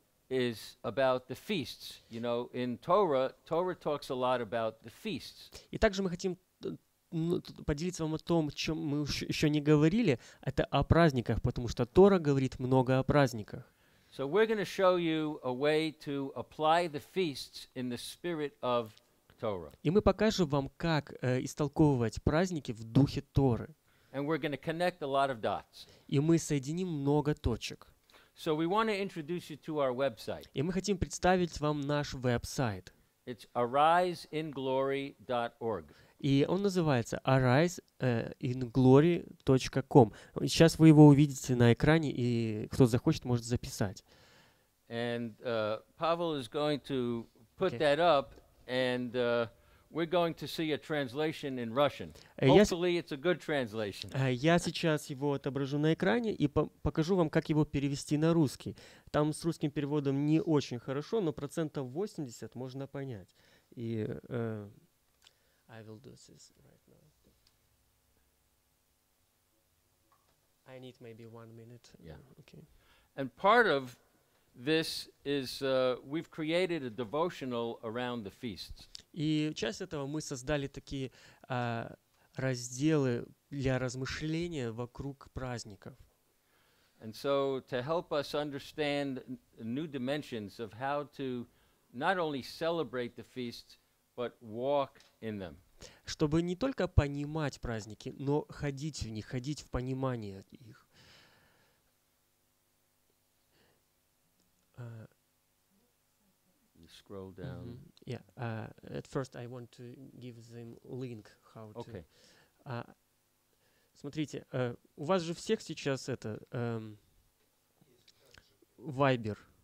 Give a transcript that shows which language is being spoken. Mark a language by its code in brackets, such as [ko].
[en] Is about the feasts. You know, in Torah, Torah talks a lot about the feasts. [ru] И также мы хотим поделиться вам о том, о чем мы еще не говорили. Это о праздниках, потому что Тора говорит много о праздниках. [en] So we're going to show you a way to apply the feasts in the spirit of Torah. [ru] И мы покажем вам, как истолковывать праздники в духе Торы. [en] And we're going to connect a lot of dots. [ru] И мы соединим много точек. [en] So we want to introduce you to our website. [ru] И мы хотим представить вам наш веб-сайт. [en] It's ariseinglory.org. [ru] И он называется ariseinglory.com. Сейчас вы его увидите на экране, и кто захочет, может записать. [en] And Pavel is going to put that up, and we're going to see a translation in Russian. Hopefully, it's a good translation. [ru] Я сейчас его отображу на экране и покажу вам, как его перевести на русский. Там с русским переводом не очень хорошо, но 80% можно понять. [en] И I will do this right now. I need maybe 1 minute. Yeah. Okay. And part of this is we've created a devotional around the feasts. [ru] И часть этого мы создали такие разделы для размышления вокруг праздников. [en] And so to help us understand new dimensions of how to not only celebrate the feasts, but walk in them. [ru] Чтобы не только понимать праздники, но ходить в них, ходить в понимание их. [en] Scroll down. Mm-hmm. Yeah. At first, I want to give them link how to. Okay. [ru] Смотрите, у вас же всех сейчас это Viber.